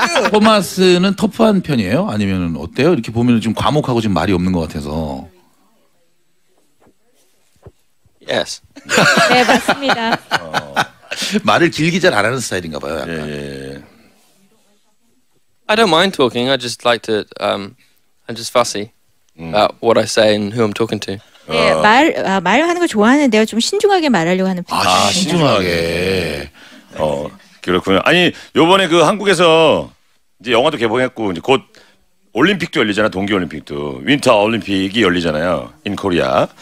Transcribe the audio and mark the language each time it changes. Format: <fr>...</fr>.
<ko>토마스는 터프한 편이에요? 아니면 어때요? 이렇게 보면 좀 과묵하고 좀 말이 없는 것 같아서.</ko> <en>Yes.</en> <ko>네, 맞습니다. 말을 길게 잘 안 하는 스타일인가 봐요. 약간.</ko> <en>I don't mind talking. I just like to. I'm just fussy about what I say and who I'm talking to.</en> <ko>네, 말하는 거 좋아하는데요. 좀 신중하게 말하려고 하는 편이에요. 아, 신중하게. 어, 그렇군요. 아니, 요번에 그 한국에서 이제 영화도 개봉했고 이제 곧 올림픽도 열리잖아. 동계 올림픽도. 윈터 올림픽이 열리잖아요.</ko> <en>인 코리아.</en>